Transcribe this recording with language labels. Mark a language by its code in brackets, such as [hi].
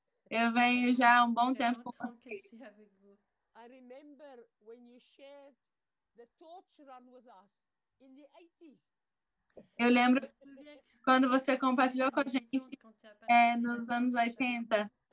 [pt] Eu venho já há um bom tempo com vocês. [en] I remember when you shared the torch run with us in the 80s. [pt] Eu lembro quando você compartilhou com a gente nos anos 80.